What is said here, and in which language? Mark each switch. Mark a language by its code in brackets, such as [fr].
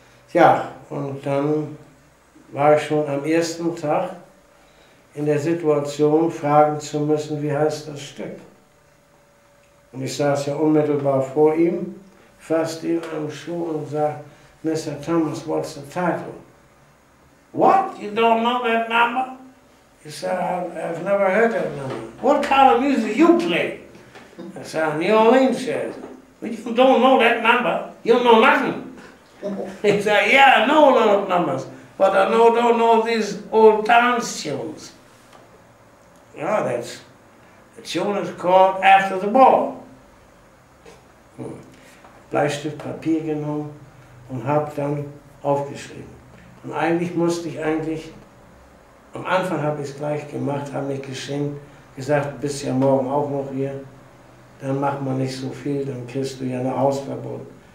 [de] Tja, und dann war ich schon am ersten Tag in der Situation, fragen zu müssen, wie heißt das Stück? Und ich saß ja unmittelbar vor ihm, fasste ihn am Schuh und sagte, Mr. [en] Thomas, what's the title? What? You don't know that number? He said, I've never heard that number. What kind of music you play? I said, New Orleans jazz. Well, you don't know that number. You know nothing. He said, yeah, I know a lot of numbers, but I don't know these old dance tunes. Yeah, that's the tune is called After the Ball. [de] Bleistift, Papier genommen und hab dann aufgeschrieben. Und eigentlich musste ich eigentlich, am Anfang habe ich es gleich gemacht, habe mich geschenkt, gesagt, bist ja morgen auch noch hier, dann macht man nicht so viel, dann kriegst du ja ein Hausverbot.